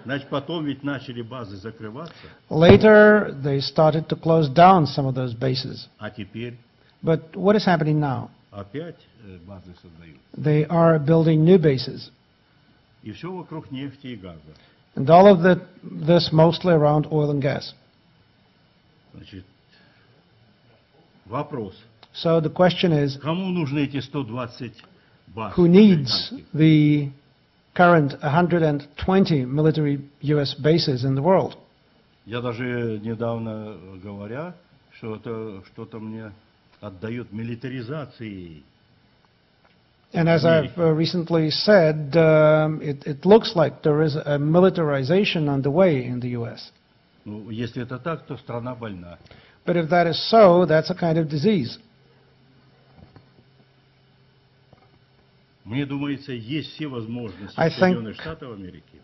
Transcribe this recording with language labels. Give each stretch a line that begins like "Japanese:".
Russian: Потом ведь начали базы закрываться.
English: Later, they started to close down some of those bases.
Russian: А теперь?
English: But what is happening now?
Russian: Опять базы создают.
English: They are building new bases.
Russian: И все вокруг нефти и газа.
English: And all of this mostly around oil and gas.
Russian: Значит, вопрос.
English: So the question is,
Russian: кому нужны эти 120 баз?
English: Who needs the current 120 military US bases in the world?
Russian: Я даже недавно говоря, что это что-то мне отдает милитаризации.
English: And as I've recently said, it looks like there is a militarization on the way in the U.S.
Russian: Ну, если это так, то страна больна.
English: But if that is so, that's a kind of disease.
Russian: Мне думается, есть все возможности Соединенных Штатов Америки.